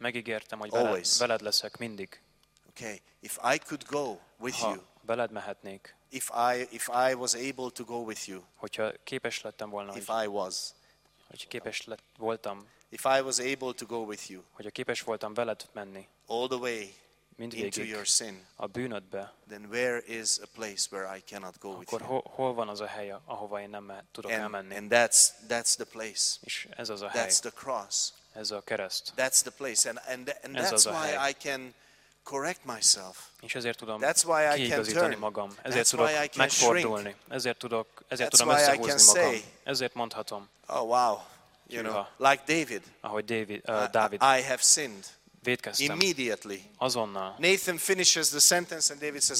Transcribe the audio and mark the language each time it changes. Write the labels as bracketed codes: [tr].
[hu] Megígértem, hogy veled leszek mindig. [en] Okay. If I could go with you. [hu] Veled mehetnék. [en] If I was able to go with you. [hu] Hogyha képes lettem volna. [en] If I was. [hu] Hogyha képes voltam. [en] If I was able to go with you. [hu] Hogyha képes voltam veled menni. [en] All the way [hu] mindvégig, [en] into your sin. [hu] A bűnödbe. [en] Then where is a place where I cannot go with you? [hu] Akkor hol van az a hely, ahova én nem tudok elmenni? [en] And that's the place. [hu] És ez az a hely. [en] That's the cross. [hu] Ez a kereszt. [en] That's the place and that's why I can correct myself. [hu] És ezért tudom kiigazítani magam. Ezért tudok megfordulni. Ezért tudom összehúzni magam. [en] Say, [hu] ezért mondhatom. [en] Oh wow. You know, like David. [hu] Ahogy Dávid. [en] I have sinned. [hu] Vétkeztem. [en] Immediately. [hu] Azonnal. [en] Nathan finishes the sentence and David says,